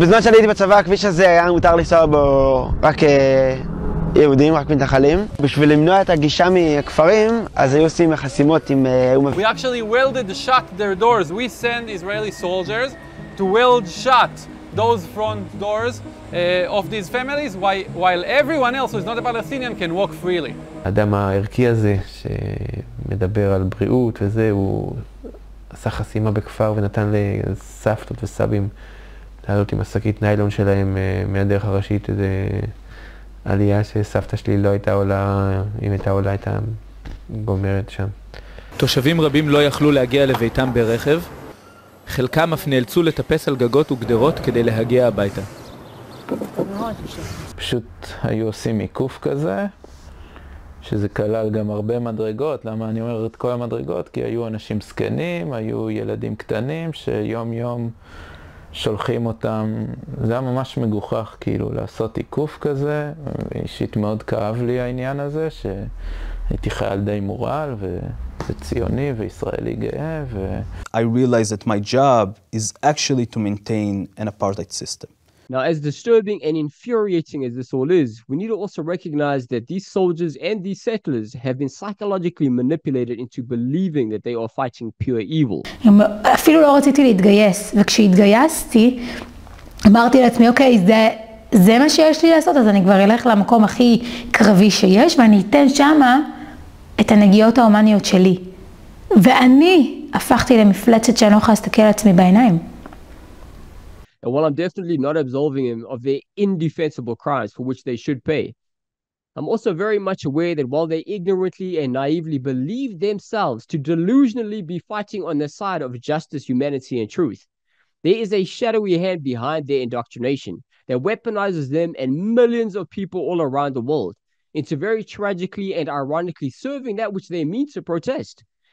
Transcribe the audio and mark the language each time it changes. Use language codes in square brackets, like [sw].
[he] בזמן שאני הייתי בצבא, הכביש הזה היה מותר לנסוע בו רק יהודים, רק מתנחלים. בשביל למנוע את הגישה מהכפרים, אז היו עושים חסימות עם... [en] We actually welded shut their doors. We send Israeli soldiers to weld shut those front doors of these families while everyone else who is not a Palestinian can walk freely. [he] האדם הערכי הזה שמדבר על בריאות וזה, הוא עשה חסימה בכפר ונתן לסבתות וסבים לעלות עם עסקית ניילון שלהם מהדרך הראשית, איזה עלייה שסבתא שלי לא הייתה עולה, אם הייתה עולה הייתה גומרת שם. תושבים רבים לא יכלו להגיע לביתם ברכב, חלקם אף נאלצו לטפס על גגות וגדרות כדי להגיע הביתה. פשוט היו עושים עיקוף כזה, שזה כלל גם הרבה מדרגות. למה אני אומר את כל המדרגות? כי היו אנשים זקנים, היו ילדים קטנים שיום יום שולחים אותם. זה היה ממש מגוחך כאילו לעשות עיקוף כזה. אישית מאוד כאב לי העניין הזה, שהייתי חייל די מורל ו... [en] I realized that my job is actually to maintain an apartheid system. Now, as disturbing and infuriating as this all is, we need to also recognize that these soldiers and these settlers have been psychologically manipulated into believing that they are fighting pure evil. [he] אפילו לא רציתי להתגייס, וכשהתגייסתי, אמרתי לעצמי, אוקיי, זה מה שיש לי לעשות, אז אני כבר אלך למקום הכי קרבי שיש, ואני אתן שמה את הנגיעות האומניות שלי. ואני הפכתי למפלצת שאני לא יכולה להסתכל על עצמי בעיניים. [en] And while I'm definitely not absolving him of their indefensible crimes for which they should pay, I'm also very much aware that while they ignorantly and naively believe themselves to delusionally be fighting on the side of justice, humanity and truth, there is a shadowy hand behind their indoctrination that weaponizes them and millions of people all around the world into very tragically and ironically serving that which they mean to protest.